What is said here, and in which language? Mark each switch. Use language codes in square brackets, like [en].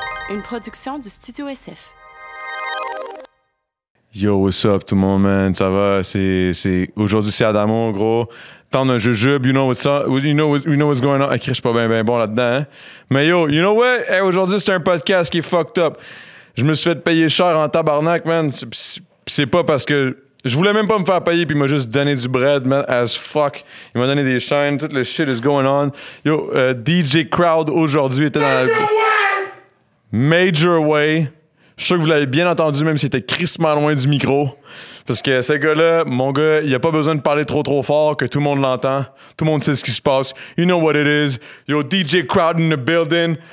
[fr] une production du Studio SF. [en] Yo, what's up, [fr] tout le monde, man? Ça va? C'est aujourd'hui, c'est Adamo, gros. Tant d'un jujube, [en] you know what's going on. [fr] Ah, je suis pas bien bon là-dedans, hein? Mais yo, [en] you know what? [fr] Hey, aujourd'hui, c'est un podcast qui est fucked up. Je me suis fait payer cher en tabarnak, man. C'est pas parce que... Je voulais même pas me faire payer, puis il m'a juste donné du bread, man, as fuck. Il m'a donné des chaînes, tout le shit [en] is going on. [fr] Yo, DJ Crowd, aujourd'hui, était dans [en] Major la... Way! Major Way. [fr] Je suis sûr que vous l'avez bien entendu, même s'il était crissement loin du micro. Parce que ce gars-là, mon gars, il a pas besoin de parler trop fort, que tout le monde l'entend. Tout le monde sait ce qui se passe. [en] You know what it is. Yo, DJ Crowd in the building.